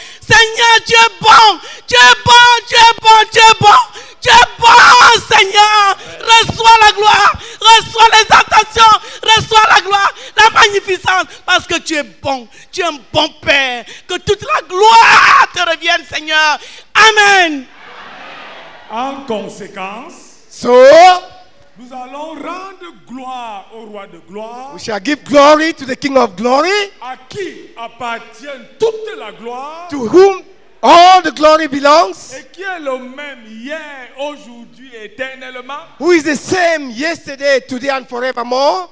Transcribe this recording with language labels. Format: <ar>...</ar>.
<fr>Seigneur, Dieu est bon, Seigneur, reçois la gloire, reçois l'exaltation, reçois la gloire, la magnificence, parce que tu es bon, tu es un bon père, que toute la gloire te revienne, Seigneur. Amen. En conséquence,</fr> <en>so,</en> <fr>nous allons rendre gloire au roi de gloire.</fr> <en>We shall give glory to the King of Glory.</en> <fr>À qui appartient toute la gloire?</fr> <en>To whom all the glory belongs?</en> <fr>Et qui est le même hier, aujourd'hui, éternellement?</fr> <en>Who is the same yesterday, today and forevermore?</en>